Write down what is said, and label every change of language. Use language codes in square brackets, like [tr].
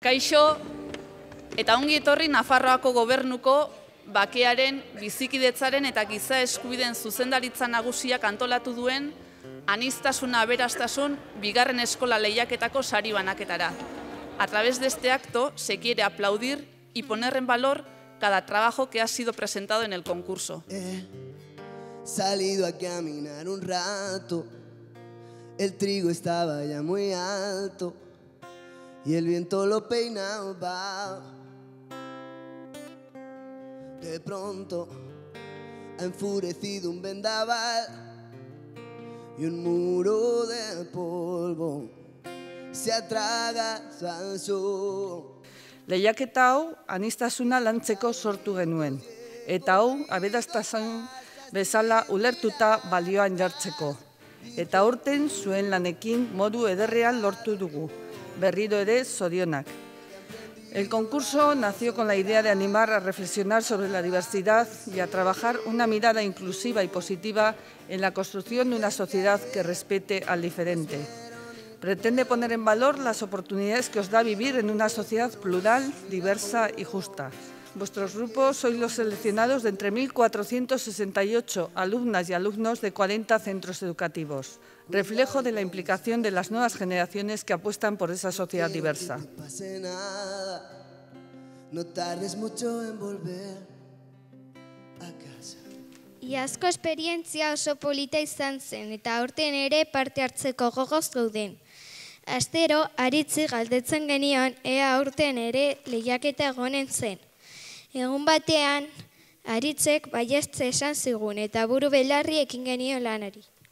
[eu] Kaixo, eta ongi etorri Nafarroako gobernuko bakearen, bizikidetzaren eta giza eskubideen zuzendaritza nagusiak antolatu duen anistasun aberastasun bigarren eskola lehiaketako sari banaketara. [es] A través de este acto se quiere aplaudir y poner en valor cada trabajo que ha sido presentado en el concurso. He salido a caminar un rato, el trigo estaba ya muy alto y el viento lo peinaba. De pronto ha enfurecido un vendaval y un muro de polvo se atraga al sol. [eu] Lehiaketa hau anistasuna lantzeko sortu genuen, eta hau aberastasun bezala ulertuta balioan jartzeko. Eta aurten zuen lanekin modu ederrean lortu dugu, berriro ere zorionak. [es] El concurso nació con la idea de animar a reflexionar sobre la diversidad y a trabajar una mirada inclusiva y positiva en la construcción de una sociedad que respete al diferente. Pretende poner en valor las oportunidades que os da vivir en una sociedad plural, diversa y justa. Vuestros grupos sois los seleccionados de entre 1.468 alumnas y alumnos de 40 centros educativos, reflejo de la implicación de las nuevas generaciones que apuestan por esa sociedad diversa. No pase nada, no tardes mucho en volver a casa. [eu] Iazko esperientzia oso polita izan zen, eta aurten ere parte hartzeko gogoz gauden. Astero, aritzi galdetzen genion, ea aurten ere lehiaketa egonen zen. Egun batean, aritzek baiestze esan zigun, eta buru belarri ekin genion lanari.